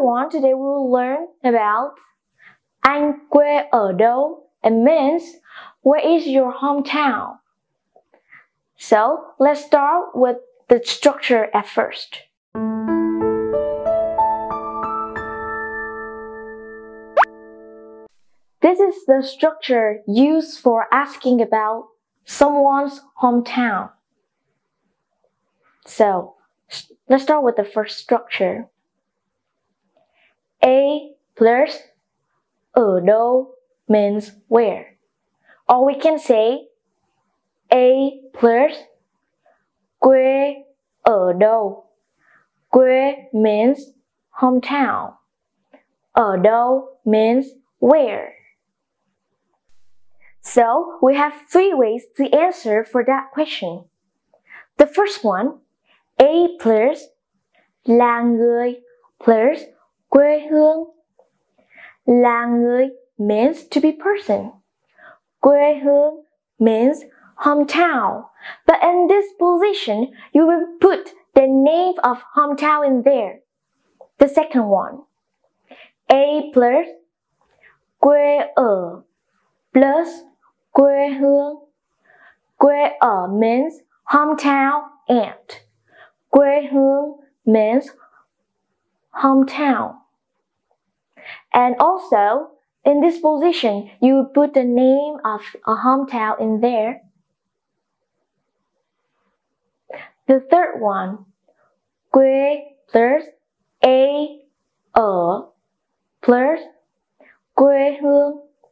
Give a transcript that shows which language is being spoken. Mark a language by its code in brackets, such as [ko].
[en] today we will learn about [vi] Anh quê ở đâu? [en] It means, where is your hometown? So, let's start with the structure at first. This is the structure used for asking about someone's hometown. So, let's start with the first structure. A plus ở đâu means where. Or we can say A plus quê ở đâu. Quê means hometown. Ở đâu means where. So, we have three ways to answer for that question. The first one, A plus là người plus quê hương. Là người means to be person. Quê hương means hometown. But in this position, you will put the name of hometown in there. The second one, A plus quê ở plus quê hương. Quê ở means hometown and quê hương means hometown. And also, in this position, you put the name of a hometown in there. The third one, quê plus a ở plus quê hương.